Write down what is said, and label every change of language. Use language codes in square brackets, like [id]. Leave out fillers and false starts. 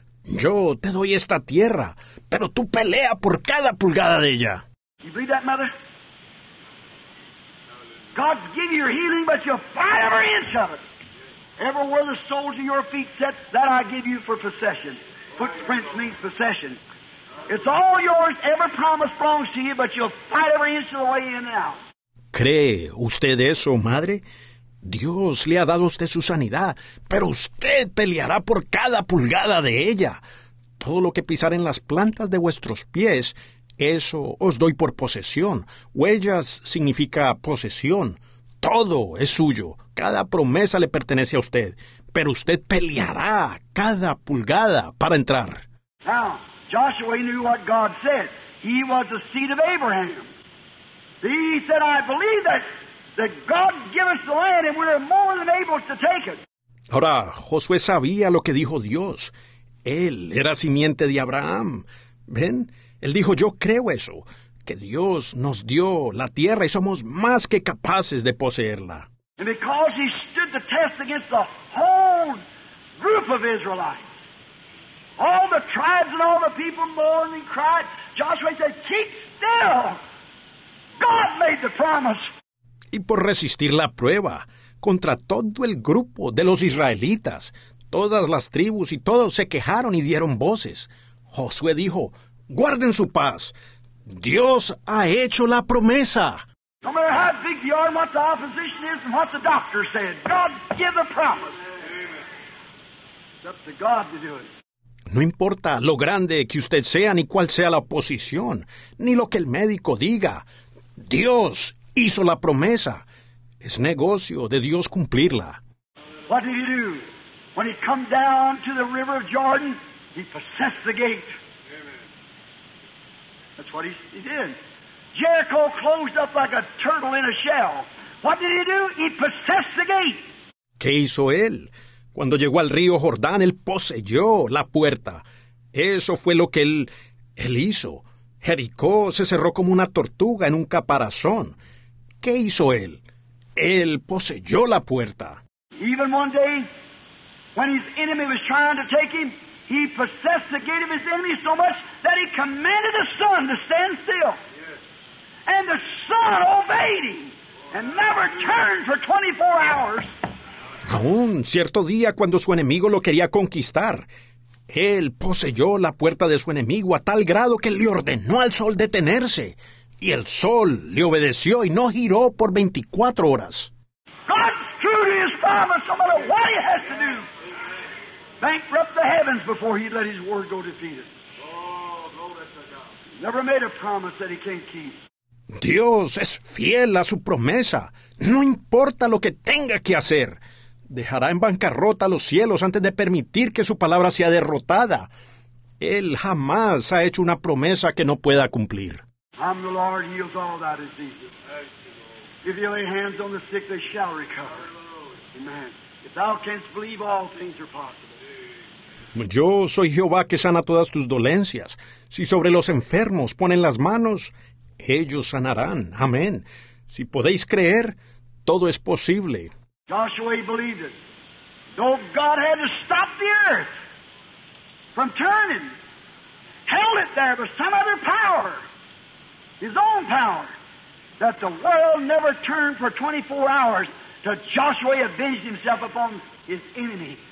[es] Yo te doy esta tierra, pero tú pelea por cada pulgada de ella. [en] You believe that, mother? God's giving your healing, but you'll fight every inch of it. Every word the soles of your feet set, that I give you for possession. Footprints means possession. It's all yours, every promise belongs to you, but you'll fight every inch of the way in and out. [es] ¿Cree usted eso, madre? Dios le ha dado a usted su sanidad, pero usted peleará por cada pulgada de ella. Todo lo que pisar en las plantas de vuestros pies, eso os doy por posesión. Huellas significa posesión. Todo es suyo. Cada promesa le pertenece a usted. Pero usted peleará cada pulgada para entrar. [en] Now, Joshua knew what God said. He was the seed of Abraham. He said, I believe that. That God give us the land and we're more than able to take it. [es] Ahora, Josué sabía lo que dijo Dios. Él era simiente de Abraham. ¿Ven? Él dijo, yo creo eso. Que Dios nos dio la tierra y somos más que capaces de poseerla. [en] And because he stood the test against the whole group of Israelites. All the tribes and all the people mourned and cried. Joshua said, keep still. God made the promise. [es] Y por resistir la prueba contra todo el grupo de los israelitas, todas las tribus y todos se quejaron y dieron voces. Josué dijo, guarden su paz. Dios ha hecho la promesa. [en] No matter how big the arm, what the opposition is, and what the doctor said, God give the promise. Amen. It's up to God to do it. [es] No importa lo grande que usted sea, ni cuál sea la oposición, ni lo que el médico diga, Dios hizo la promesa. Es negocio de Dios cumplirla. [en] What did he do? When he come down to the river of Jordan, he possessed the gate. Amen. That's what he did. Jericho closed up like a turtle in a shell. What did he do? He possessed the gate. [es] ¿Qué hizo él? Cuando llegó al río Jordán, él poseyó la puerta. Eso fue lo que él hizo. Jericó se cerró como una tortuga en un caparazón. ¿Qué hizo él? Él poseyó la puerta. [en] Even one day, when his enemy was trying to take him, he possessed the gate of his enemy so much that he commanded the sun to stand still. And the sun obeyed him and never turned for 24 hours. [es] Aún cierto día, cuando su enemigo lo quería conquistar, él poseyó la puerta de su enemigo a tal grado que le ordenó al sol detenerse. Y el sol le obedeció y no giró por 24 horas. [en] God's true to his promise, no matter what he has to do. Bankrupt the heavens before he let his word go defeated. Oh, glory to God. Never made a promise that he can't keep. [es] Dios es fiel a su promesa. No importa lo que tenga que hacer. Dejará en bancarrota los cielos antes de permitir que su palabra sea derrotada. Él jamás ha hecho una promesa que no pueda cumplir. [en] I'm the Lord, heals all that is diseases. If you lay hands on the sick, they shall recover. Amen. If thou canst believe, all things are possible. [es] Yo soy Jehová que sana todas tus dolencias. Si sobre los enfermos ponen las manos, ellos sanarán. Amén. Si podéis creer, todo es posible. [en] Joshua believed it. Though God had to stop the earth, from turning. Held it there by some other power, his own power, that the world never turned for 24 hours till Joshua avenged himself upon his enemy.